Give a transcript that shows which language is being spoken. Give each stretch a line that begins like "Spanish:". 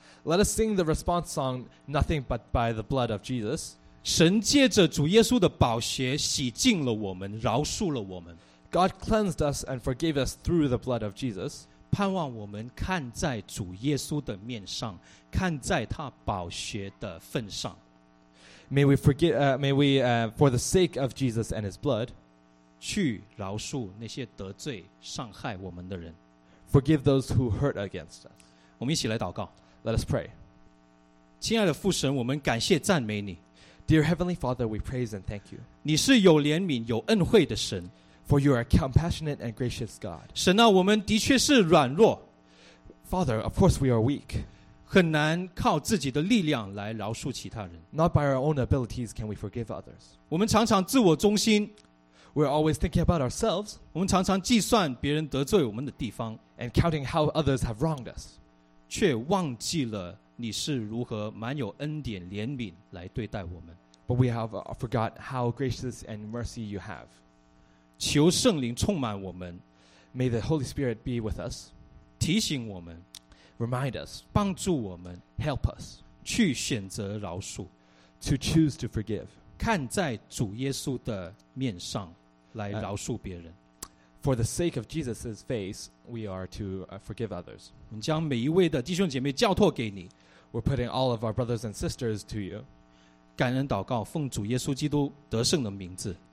English: Let us sing the response song Nothing but by the blood of Jesus.
Chinese: 神借着主耶稣的宝血洗净了我们，饶恕了我们。
English: God cleansed us and forgave us through the blood of Jesus.
Chinese: 盼望我们看在主耶稣的面上，看在他宝血的份上。
English: May we forgive, for the sake of Jesus and his blood,
Chinese: 去饶恕那些得罪伤害我们的人。
English: Forgive those who hurt against us.
Chinese: 我们一起来祷告。
English: Let us pray.
Chinese: 亲爱的父神，我们感谢赞美你。
English: Dear Heavenly Father, we praise and thank you.
Chinese: 你是有怜悯有恩惠的神。
English: For you are a compassionate and gracious God.
Chinese: 神啊，我们的确是软弱。
English: Father, of course we are weak.
Chinese: 很难靠自己的力量来饶恕其他人。
English: Not by our own abilities can we forgive others.
Chinese: 我们常常自我中心。
English: We're always thinking about ourselves.
Chinese: 我们常常计算别人得罪我们的地方。
English: And counting how others have wronged us.
Chinese: 却忘记了你是如何满有恩典怜悯来对待我们。
English: But we have forgot how gracious and mercy you have.
Chinese: 求圣灵充满我们。
English: May the Holy Spirit be with us.
Chinese: 提醒我们。
English: Remind us,
Chinese: 帮助我们
English: help us,
Chinese: 去选择饶恕
English: to choose to forgive,
Chinese: 看在主耶稣的面上来饶恕别人
English: For the sake of Jesus' face, we are to forgive others.
Chinese: 我们将每一位的弟兄姐妹交托给你
English: We're putting all of our brothers and sisters to you.
Chinese: 感恩祷告，奉主耶稣基督得胜的名字。